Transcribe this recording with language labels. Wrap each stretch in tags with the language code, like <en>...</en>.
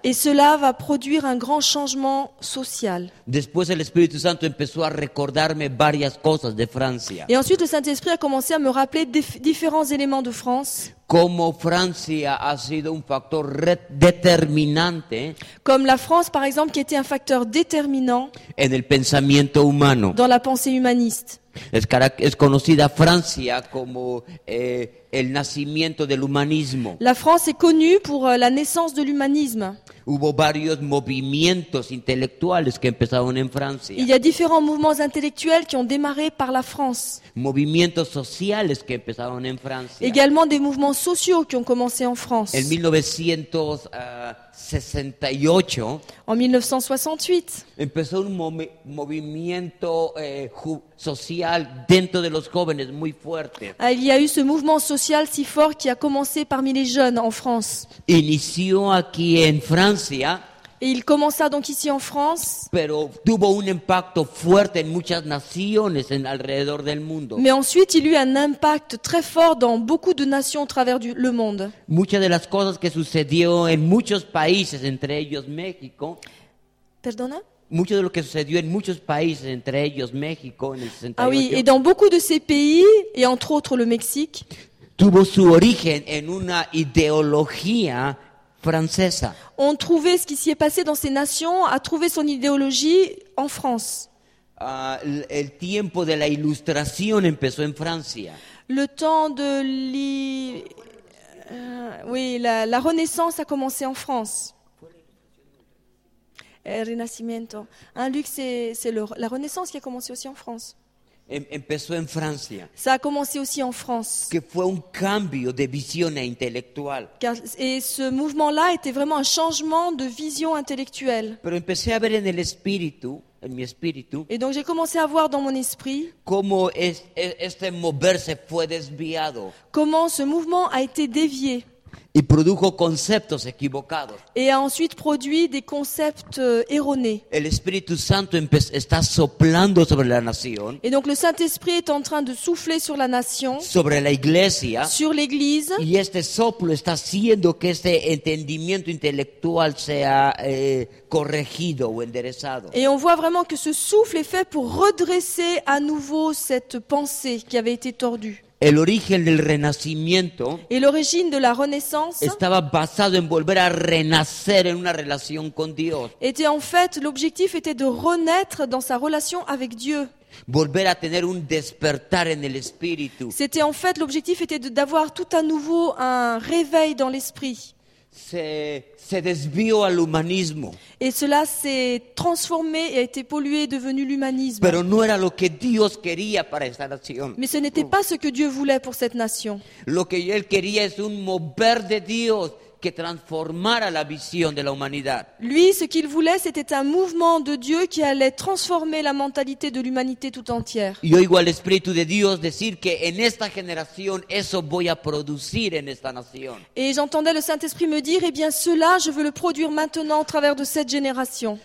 <fr>Et cela va produire un grand changement social.</fr> <es>Después el Espíritu Santo empezó a recordarme varias cosas de Francia.</es> <fr>Et ensuite le Saint-Esprit a commencé à me rappeler différents éléments de France.</fr> <es>Como Francia ha sido un factor determinante.</es> <fr>Comme la France par exemple qui était un facteur déterminant.</fr> <es>En el pensamiento humano.</es> <fr>Dans la pensée humaniste.</fr> <es>Es conocida Francia como el nacimiento del humanismo.</es> <fr>La France est connue pour la naissance de l'humanisme.</fr> <es>Hubo varios movimientos intelectuales que empezaron en Francia.</es> <fr>Il y a différents mouvements intellectuels qui ont démarré par la France.</fr> <es>Movimientos sociales que empezaron en Francia.</es> <fr>Également des mouvements sociaux qui ont commencé en France.</fr> <es>En 1968.</es> <fr>En 1968.</fr> <es>Empezó un movimiento social dentro de los jóvenes muy fuerte.</es> <fr>Il y a eu ce mouvement social si fort qui a commencé parmi les jeunes en France.</fr> <es>Inició aquí en Francia.</es> <fr>Et il commença donc ici en France.</fr> <es>Pero tuvo un impacto fuerte en muchas naciones en alrededor del mundo.</es> <fr>Mais ensuite, il eut un impact très fort dans beaucoup de nations à travers le monde.</fr> <es>Muchas de las cosas que sucedió en muchos países, entre ellos México. Perdona. Mucho de lo que sucedió en muchos países, entre ellos México en el 68.</es> <fr>Ah oui, et dans beaucoup de ces pays et entre autres le Mexique.</fr> <es>Tuvo su origen en una ideología francesa.</es> <fr>On trouvait ce qui s'y est passé dans ces nations a trouvé son idéologie en France.</fr> <es>El tiempo de la ilustración empezó en Francia.</es> <fr>Le temps de la Renaissance a commencé en France.</fr> <es>El Renacimiento.</es> <fr>Hein, Luc, c'est la Renaissance qui a commencé aussi en France.</fr> <es>Empezó en Francia.</es> <fr>Ça a commencé aussi en France.</fr> <es>Que fue un cambio de visión intelectual.</es> <fr>Et ce mouvement-là était vraiment un changement de vision intellectuelle.</fr> <es>Pero empecé a ver en el espíritu, en mi espíritu.</es> <fr>Et donc j'ai commencé à voir dans mon esprit.</fr> <es>Cómo este moverse fue desviado.</es> <fr>Comment ce mouvement a été dévié.</fr> <es>y produjo conceptos equivocados.</es> <fr>Y ha ensuite produit des concepts erronés.</fr> <es>El Espíritu Santo está soplando sobre la nación.</es> <fr>Et donc le Saint-Esprit est en train de souffler sur la nation.</fr> <es>Sobre la iglesia.</es> <fr>Sur l'église.</fr> <es>Y este soplo está haciendo que este entendimiento intelectual sea corregido o enderezado.</es> <fr>Et on voit vraiment que ce souffle est fait pour redresser à nouveau cette pensée qui avait été tordue.</fr> <es>El origen del renacimiento</es> <fr>et l'origine de la renaissance</fr> <es>estaba basado en volver a renacer en una relación con Dios.</es> <fr>Était en fait, l'objectif était de renaître dans sa relation avec Dieu.</fr> <es>Volver a tener un despertar en el espíritu.</es> <fr>C'était en fait, l'objectif était d'avoir tout à nouveau un réveil dans l'esprit.</fr> <es>Se desvió al humanismo.</es> <fr>Et cela s'est transformé et a été pollué, devenu l'humanisme.</fr> <es>Pero no era lo que Dios quería para esta nación.</es> <fr>Mais ce n'était pas ce que Dieu voulait pour cette nation.</fr> <es>Lo que él quería es un mover de Dios que transformara la visión de la humanidad.</es> <fr>Lui, ce qu'il voulait, c'était un mouvement de Dieu qui allait transformer la mentalité de l'humanité tout entière.</fr> <es>Y oigo al Espíritu de Dios decir que en esta generación eso voy a producir en esta nación.</es> <fr>Et j'entendais le Saint-Esprit me dire, eh bien cela, je veux le produire maintenant au travers de cette génération.</fr>